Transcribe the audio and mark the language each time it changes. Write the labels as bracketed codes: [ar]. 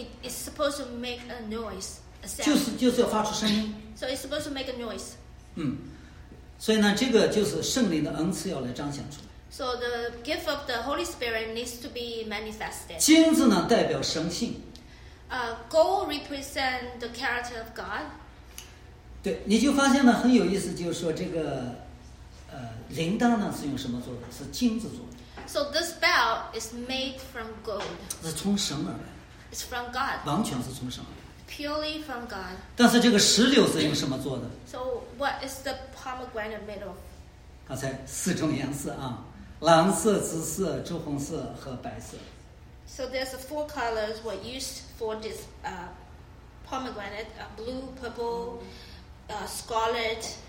[en] It's supposed to make a noise, a sound. [zh] 就是要发出声音。 [en] So it's supposed to make a noise. [zh] 所以呢，这个就是圣灵的恩赐要来彰显出来。 [en] So the gift of the Holy Spirit needs to be manifested. [zh] 金子呢代表神性。 [en] Gold represent the character of God. [zh] 对，你就发现呢很有意思，就是说这个，铃铛呢是用什么做的？是金子做的。 [en] So this bell is made from gold. [zh] 是从神而来。 [en] It's from God. [zh] 完全是从神而来。 [en] Purely from God. [zh] 但是这个石榴是用什么做的？ [en] So what is the pomegranate made of? [zh] 刚才四种颜色啊。蓝色、紫色、朱红色和白色。 [en] So there's four colors were used for this pomegranate: blue, purple, scarlet.